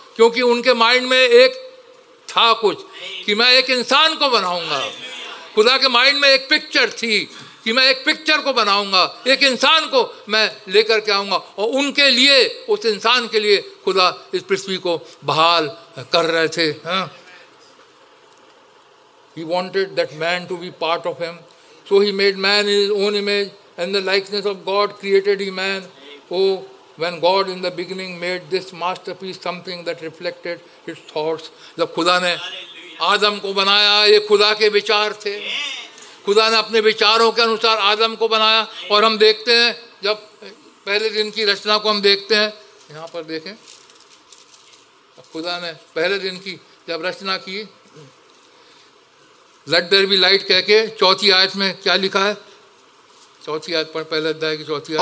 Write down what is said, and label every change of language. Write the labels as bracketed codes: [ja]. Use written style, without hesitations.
[hi] क्योंकि उनके माइंड में एक था कुछ कि मैं एक इंसान को बनाऊंगा. खुदा के माइंड में एक पिक्चर थी कि मैं एक पिक्चर को बनाऊंगा, एक इंसान को मैं लेकर के आऊँगा, और उनके लिए उस इंसान के लिए खुदा इस पृथ्वी को बहाल कर रहे थे. [en] He wanted that man to be part of him. So he made man in his own image and the likeness of God created he man. Oh, when God in the beginning made this masterpiece something that reflected his thoughts. [hi] जब खुदा ने आदम को बनाया, ये खुदा के विचार थे. खुदा ने अपने विचारों के अनुसार आदम को बनाया. और हम देखते हैं जब पहले दिन की रचना को हम देखते हैं, यहाँ पर देखें, खुदा ने पहले दिन की जब रचना की, [en] let there be light [hi] कह के चौथी आयत में क्या लिखा है, चौथी आयत पर पहले अध्याय की चौथी आयत,